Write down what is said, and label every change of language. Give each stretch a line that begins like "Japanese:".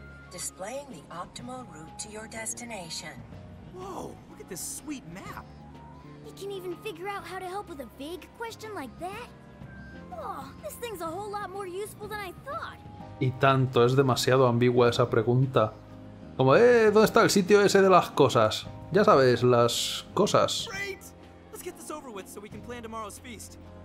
English: Displaying the optimal route to your destination. Whoa, look at this sweet map. You can even figure out how to help with a big question like that? Oh, this thing's a whole lot more useful than I thought.
Spanish: Y tanto, es demasiado ambigua esa pregunta. Como, ¿dónde está el sitio ese de las cosas? Ya sabes, las cosas.
English: Great! Let's get this over with so we can plan tomorrow's feast.